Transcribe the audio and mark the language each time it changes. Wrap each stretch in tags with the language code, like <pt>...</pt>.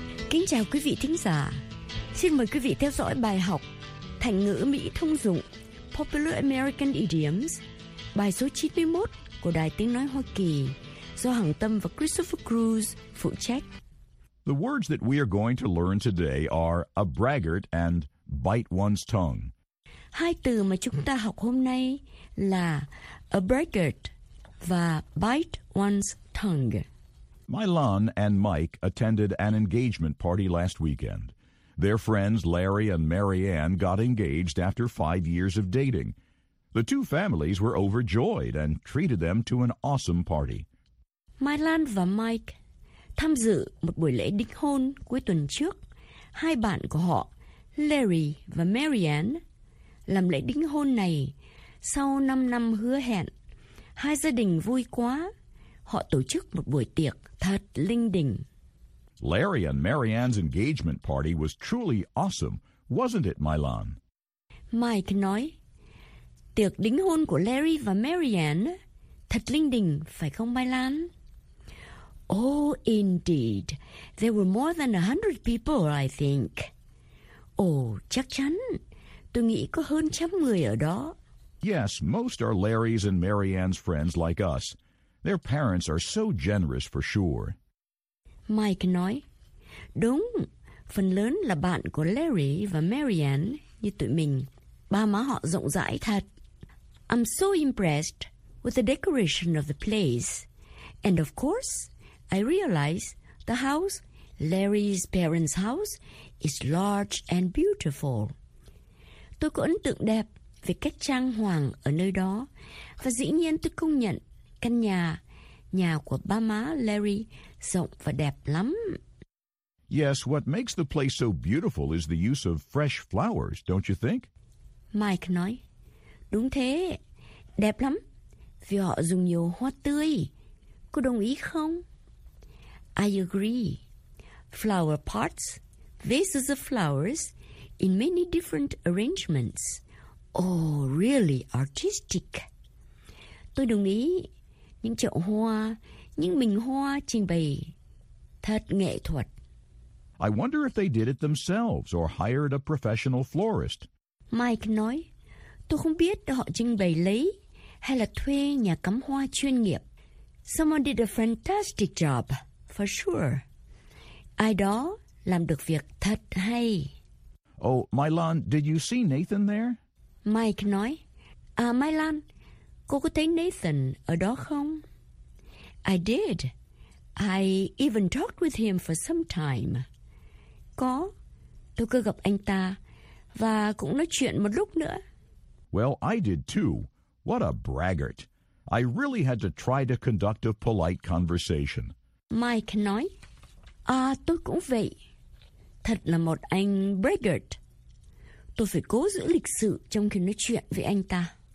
<vi>Kính chào quý vị thính giả. Xin mời quý vị theo dõi bài học Thành ngữ Mỹ thông dụng</vi> <en>Popular American Idioms,</en> <vi>bài số 91 của Đài Tiếng Nói Hoa Kỳ, do Hằng Tâm và Christopher Cruz phụ trách.</vi> <en>The words that we are going to learn today are a braggart and bite one's tongue.</en> <vi>Hai từ mà chúng ta học hôm nay là a braggart và bite one's tongue.</vi> <en>Mylon and Mike attended an engagement party last weekend. Their friends Larry and Marianne got engaged after 5 years of dating. The two families were overjoyed and treated them to an awesome party.</en> <vi>Mylon và Mike tham dự một buổi lễ đính hôn cuối tuần trước. Hai bạn của họ, Larry và Marianne, làm lễ đính hôn này sau 5 năm hứa hẹn. Hai gia đình vui quá. Họ tổ chức một buổi tiệc thật linh đình.</vi> <en>Larry and Marianne's engagement party was truly awesome, wasn't it, Mylon?</en> <vi>Mike nói, tiệc đính hôn của Larry và Marianne thật linh đình, phải không, Mylon?</vi> <en>Oh, indeed. There were more than 100 people, I think.</en> <vi>Oh, chắc chắn. Tôi nghĩ có hơn 100 người ở đó.</vi> <en>Yes, most are Larry's and Marianne's friends like us. Their parents are so generous for sure.</en> <vi>Mike nói, đúng, phần lớn là bạn của Larry và Marianne như tụi mình. Ba má họ rộng rãi thật.</vi> <en>I'm so impressed with the decoration of the place. And of course, I realize the house, Larry's parents' house, is large and beautiful.</en> <vi>Tôi có ấn tượng đẹp về cách trang hoàng ở nơi đó. Và dĩ nhiên tôi công nhận căn nhà, nhà của ba má Larry, rộng và đẹp lắm.</vi> <en>Yes, what makes the place so beautiful is the use of fresh flowers, don't you think?</en> <vi>Mike nói, đúng thế, đẹp lắm, vì họ dùng nhiều hoa tươi. Cô đồng ý không?</vi> <en>I agree. Flower pots, vases of flowers, in many different arrangements. Oh, really artistic.</en> <vi>Tôi đồng ý. Những chậu hoa, những bình hoa trình bày thật nghệ thuật.</vi> <en>I wonder if they did it themselves or hired a professional florist.</en> <vi>Mike nói, tôi không biết họ trình bày lấy hay là thuê nhà cắm hoa chuyên nghiệp.</vi> <en>Someone did a fantastic job, for sure.</en> <vi>Ai đó làm được việc thật hay.</vi> <en>Oh, Mylon, did you see Nathan there?</en> <vi>Mike nói, Mylon, cô có thấy Nathan ở đó không?</vi> <en>I did. I even talked with him for some time.</en> <vi>Có. Tôi có gặp anh ta và cũng nói chuyện một lúc nữa.</vi> <en>Well, I did too. What a braggart. I really had to try to conduct a polite conversation.</en> <vi>Mike nói, à, tôi cũng vậy. Thật là một anh braggart. Tôi phải cố giữ lịch sự trong khi nói chuyện với anh ta.</vi>